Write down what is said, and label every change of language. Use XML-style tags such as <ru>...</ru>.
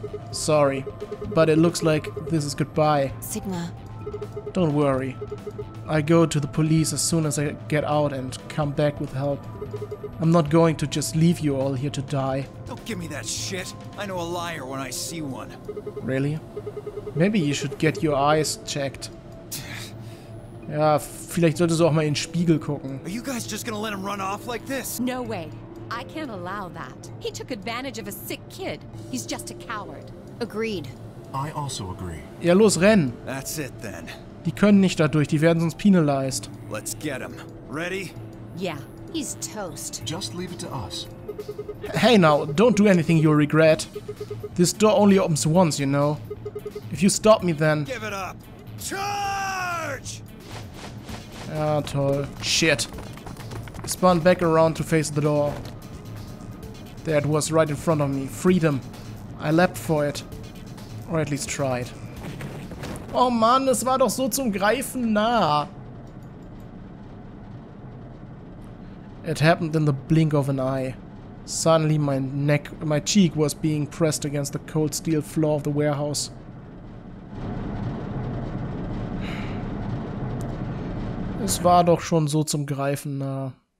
<en>Sorry, but it looks like this is goodbye. Sigma. Don't worry. I go to the police as soon as I get out and come back with help. I'm not going to just leave you all here to die. Don't give me that shit. I know a liar when I see one. Really? Maybe you should get your eyes checked.</en> <de>Ja, vielleicht solltest du auch mal in den Spiegel gucken.</de> <en>Are you guys just gonna let him run off like this? No way. I can't allow that. He took advantage of a sick kid. He's just a coward. Agreed. I also agree.</en> <de>Ja, los, renn!</de> <en>That's it then.</en> <de>Die können nicht dadurch, die werden sonst penalized.</de> <en>Let's get him. Ready? Yeah, he's toast. Just leave it to us. Hey now, don't do anything you'll regret. This door only opens once, you know. If you stop me then... Give it up! Charge!</en> <de>Ah, toll. Shit.</de> <en>I spun back around to face the door. There it was, right in front of me. Freedom. I leapt for it. Or at least tried.</en> <de>Oh Mann, es war doch so zum Greifen nah.</de> <en>It happened in the blink of an eye. Suddenly my cheek was being pressed against the cold steel floor of the warehouse.</en> <de>Es war doch schon so zum Greifen nah.</de>